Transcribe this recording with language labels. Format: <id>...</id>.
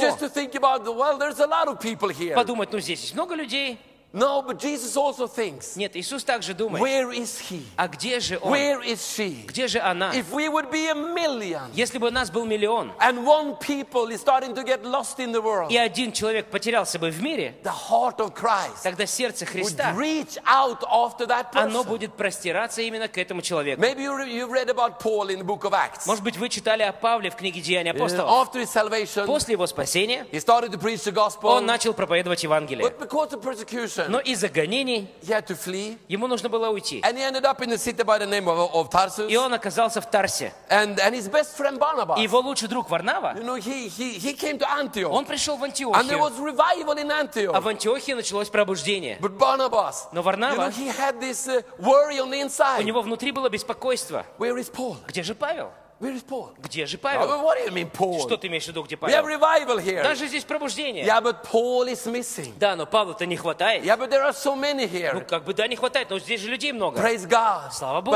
<en>Just to think about, well, there's a lot of people here.</en> <ru>Подумать, ну здесь есть много людей.</ru> <en>No, but Jesus also thinks.</en> <ru>Нет, Иисус также думает.</ru> <en>Where is he?</en> <ru>А где же он?</ru> <en>Where is she?</en> <ru>Где же она?</ru> <en>If we would be a million.</en> <ru>Если бы у нас был миллион.</ru> <en>And one people is starting to get lost in the world.</en> <ru>И один человек потерялся бы в мире.</ru> <en>The heart of Christ.</en> <ru>Тогда сердце Христа.</ru> <en>Would reach out after that person.</en> <ru>Оно будет простираться именно к этому человеку.</ru> <en>Maybe you've read about Paul in the book of Acts.</en> <ru>Может быть, вы читали о Павле в книге Деяний апостолов.</ru> <en>After his salvation.</en> <ru>После его спасения.</ru> <en>He started to preach the gospel.</en> <ru>Он начал проповедовать Евангелие.</ru> <en>But because of persecution.</en> <ru>Но из-за гонений ему нужно было уйти.</ru> <en>And he ended up in a city by the name of Tarsus.</en> <ru>И он оказался в Тарсе.</ru> <en>And his best friend Barnabas.</en> <ru>И его лучший друг Варнава.</ru> <en>You know, he came to Antioch.</en> <ru>Он пришел в Антиохию.</ru> <en>And there was revival in Antioch.</en> <ru>А в Антиохии началось пробуждение.</ru> <en>But Barnabas.</en> <ru>Но Варнава.</ru> <en>You know, he had this worry on the inside.</en> <ru>У него внутри было беспокойство.</ru> <en>Where is Paul?</en> <ru>Где же Павел?</ru> <en>Where is Paul?</en> <ru>Где же Павел?</ru> <en>What do you mean, Paul?</en> <ru>Что ты имеешь в виду, где Павел?</ru> <en>We have revival here.</en> <ru>Даже здесь пробуждение.</ru> <en>Yeah, but Paul is missing.</en> <ru>Да, но Павла-то не хватает.</ru> <en>Yeah, but there are so many here.</en> <ru>Ну, как бы да, не хватает, но здесь же людей много.</ru> <en>Praise God.</en> <ru>Слава Богу.</ru>